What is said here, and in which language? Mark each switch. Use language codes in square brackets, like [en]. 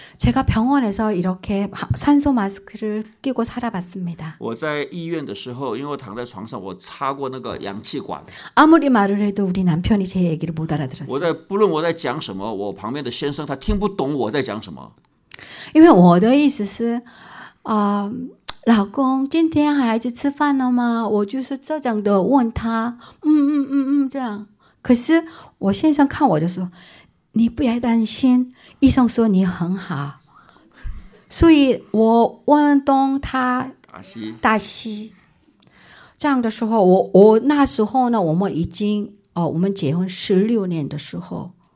[ko] 제가 병원에서 이렇게 산소 마스크를 끼고 살아봤습니다. [zh] 我在医院的时候，因为我躺在床上，我插过那个氧气管。 [ko] 아무리 말을 해도 우리 남편이 제 얘기를 못 알아들었어요. [zh] 我在不论我在讲什么。我旁边的先生他听不懂我在讲什么，因为我的意思是，老公今天孩子吃饭了吗？我就是这样的问他，这样。可是我先生看我就说，你不要担心，医生说你很好，所以我问东他，大西，这样的时候，我那时候呢，我们已经，我们结婚16年的时候。